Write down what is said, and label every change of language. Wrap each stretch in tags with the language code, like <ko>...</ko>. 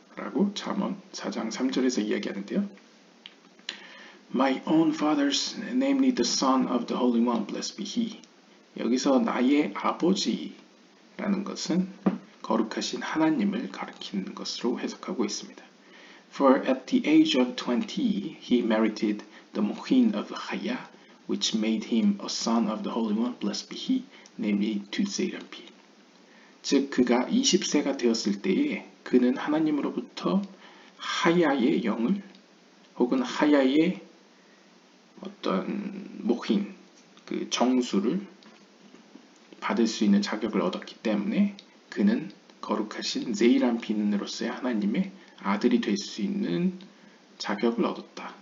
<ko>라고 잠언 4장 3절에서 이야기하는데요.</ko> <en>My own father's, namely the son of the Holy One, blessed be he.</en> <ko>여기서 나의 아버지라는 것은 거룩하신 하나님을 가리키는 것으로 해석하고 있습니다.</ko> <en>For at the age of 20, he merited the Mu'in of Haya, which made him a son of the Holy One, blessed be he, namely to Zerampi.</en> <ko>즉, 그가 20세가 되었을 때에 그는 하나님으로부터 하야의 영을 혹은 하야의 어떤 Mu'in, 그 정수를 받을 수 있는 자격을 얻었기 때문에 그는 거룩하신 제이람핀으로서의 하나님의 아들이 될 수 있는 자격을 얻었다.</ko>